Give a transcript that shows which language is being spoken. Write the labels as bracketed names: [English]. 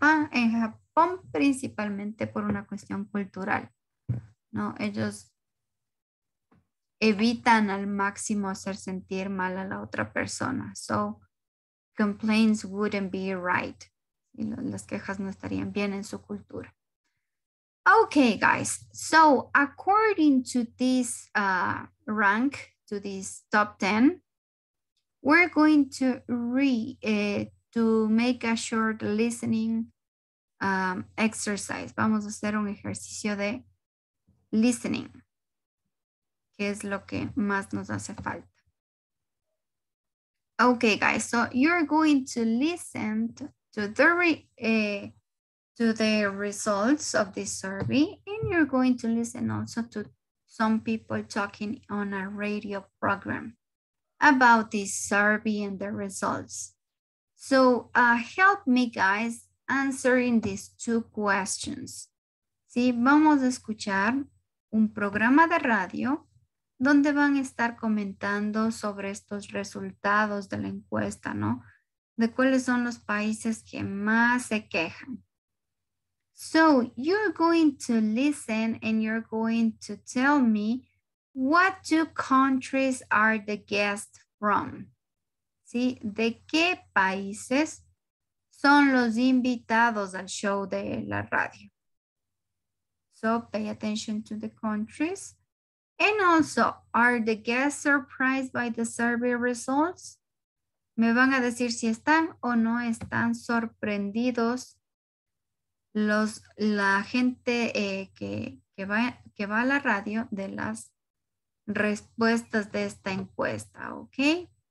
[Spanish] En Japón principalmente por una cuestión cultural. No, ellos evitan al máximo hacer sentir mal a la otra persona. [English] So, complaints wouldn't be right. [Spanish] Y las quejas no estarían bien en su cultura. [English] Okay, guys. So, according to this rank, to this top 10, we're going to make a short listening exercise. [Spanish] Vamos a hacer un ejercicio de listening, que es lo que más nos hace falta. [English] Okay, guys. So you're going to listen to the results of this survey, and you're going to listen also to some people talking on a radio program about this survey and the results. So help me, guys, answering these two questions. [Spanish] Sí, vamos a escuchar un programa de radio donde van a estar comentando sobre estos resultados de la encuesta, ¿no? De cuáles son los países que más se quejan. [English] So, you're going to listen and you're going to tell me what two countries are the guests from. [Spanish] ¿Sí? ¿De qué países son los invitados al show de la radio? [English] So, pay attention to the countries. And also, are the guests surprised by the survey results? [Spanish] Me van a decir si están o no están sorprendidos la gente que va a la radio de las respuestas de esta encuesta, okay?